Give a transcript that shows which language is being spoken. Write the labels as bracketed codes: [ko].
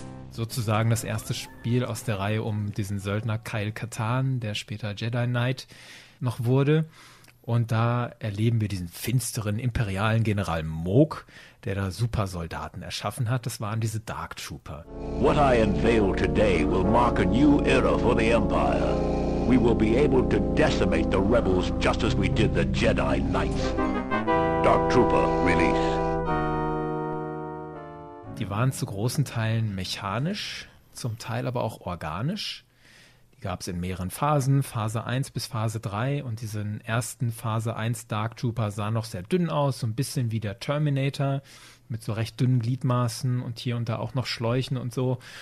[de] Sozusagen das erste Spiel aus der Reihe um diesen Söldner Kyle Katarn, der später Jedi Knight noch wurde. Und da erleben wir diesen finsteren imperialen General Mok, der da Supersoldaten erschaffen hat. Das waren diese Dark Trooper. [en] What I unveil today will mark a new era for the Empire. We will be able to decimate the rebels just as we did the Jedi Knights. Dark Trooper, release. [de] Die waren zu großen Teilen mechanisch, zum Teil aber auch organisch. Die gab es in mehreren Phasen, Phase 1 bis Phase 3. Und diesen ersten Phase 1 Dark Trooper sah noch sehr dünn aus, so ein bisschen wie der Terminator mit so recht dünnen Gliedmaßen und hier und da auch noch Schläuchen und so.